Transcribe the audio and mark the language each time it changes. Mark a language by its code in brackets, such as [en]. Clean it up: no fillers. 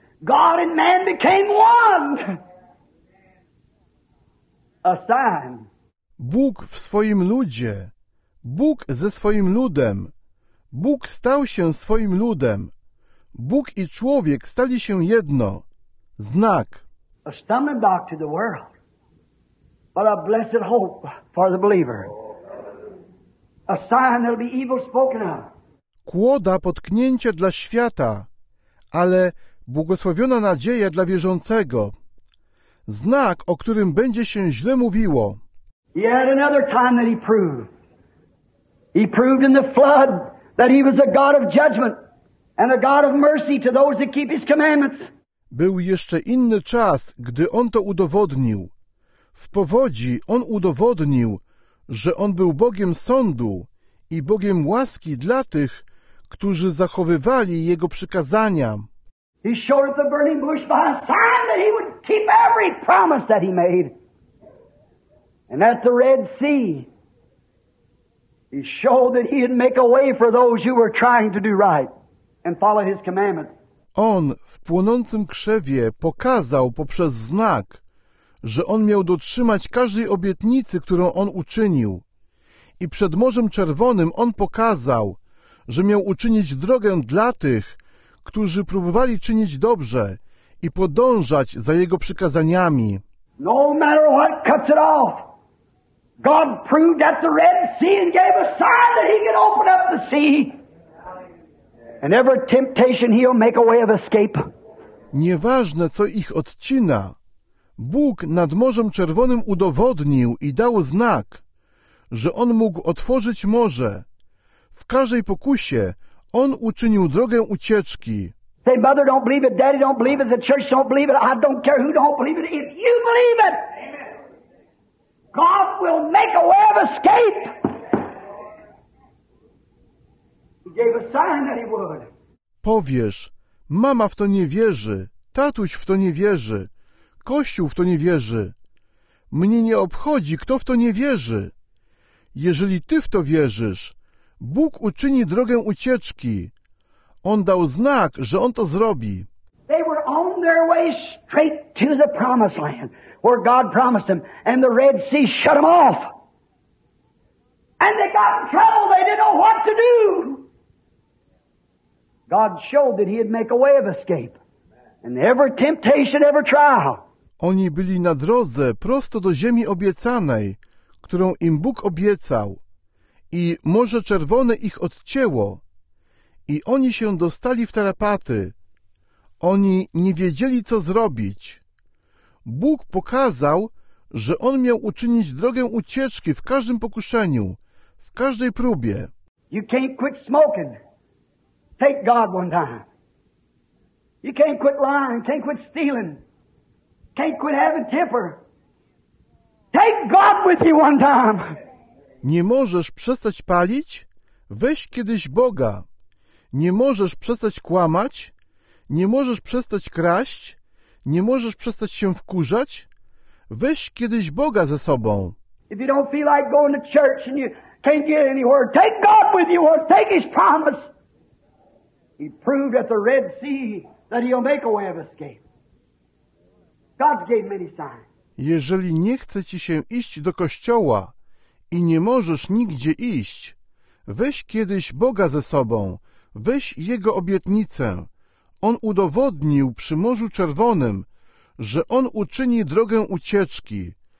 [en] God and man became one. A sign. [pl] Bóg w swoim ludzie. Bóg ze swoim ludem. Bóg stał się swoim ludem. Bóg i człowiek stali się jedno. Znak. [en] A stumbling block to the world, but a blessed hope for the believer. A sign that'll be evil spoken of. [pl] Kłoda potknięcia dla świata, ale błogosławiona nadzieja dla wierzącego. Znak, o którym będzie się źle mówiło. [en] He had another time that he proved. He proved in the flood that he was a God of judgment and a God of mercy to those that keep his commandments. [pl] Był jeszcze inny czas, gdy on to udowodnił. W powodzi on udowodnił, że on był Bogiem sądu i Bogiem łaski dla tych, którzy zachowywali jego przykazania. [en] He showed up the burning bush by a sign that he would keep every promise that he made. And at the Red Sea, he showed that he'd make a way for those who were trying to do right and follow his commandments. [pl] On w płonącym krzewie pokazał poprzez znak, że on miał dotrzymać każdej obietnicy, którą on uczynił. I przed Morzem Czerwonym on pokazał, że miał uczynić drogę dla tych, którzy próbowali czynić dobrze i podążać za jego przykazaniami. [en] No matter what cuts it off. God proved at the Red Sea and gave a sign that he could open up the sea. And every temptation he'll make a way of escape. [pl] Nieważne, co ich odcina, Bóg nad Morzem Czerwonym udowodnił i dał znak, że on mógł otworzyć morze. W każdej pokusie on uczynił drogę ucieczki. [en] Say, mother don't believe it, daddy don't believe it, the church don't believe it, I don't care who don't believe it, if you believe it. God will make a way of escape. He gave a sign that he would. [pl] Powiesz, mama w to nie wierzy, tatuś w to nie wierzy, kościół w to nie wierzy. Mnie nie obchodzi, kto w to nie wierzy. Jeżeli ty w to wierzysz, Bóg uczyni drogę ucieczki. On dał znak, że on to zrobi. [en] They were on their way straight to the promised land. Where God promised them, and the Red Sea shut them off. And they got in trouble, they didn't know what to do. God showed that he'd make a way of escape. And every temptation, every trial. [pl] Oni byli na drodze prosto do ziemi obiecanej, którą im Bóg obiecał. I Morze Czerwone ich odcięło. I oni się dostali w tarapaty. Oni nie wiedzieli, co zrobić. Bóg pokazał, że on miał uczynić drogę ucieczki w każdym pokuszeniu, w każdej próbie. [en] You can't quit smoking. Thank God one time. You can't quit lying, can't quit stealing, can't quit having temper. Take God with you one time. [pl] Nie możesz przestać palić? Weź kiedyś Boga. Nie możesz przestać kłamać? Nie możesz przestać kraść? Nie możesz przestać się wkurzać? Weź kiedyś Boga ze sobą. [en] If you don't feel like going to church and you can't get anywhere, take God with you or take His promise. He proved at the Red Sea that He'll make a way of escape. God's gave many signs. [pl] Jeżeli nie chce ci się iść do kościoła i nie możesz nigdzie iść, weź kiedyś Boga ze sobą, weź Jego obietnicę. On udowodnił przy Morzu Czerwonym, że On uczyni drogę ucieczki.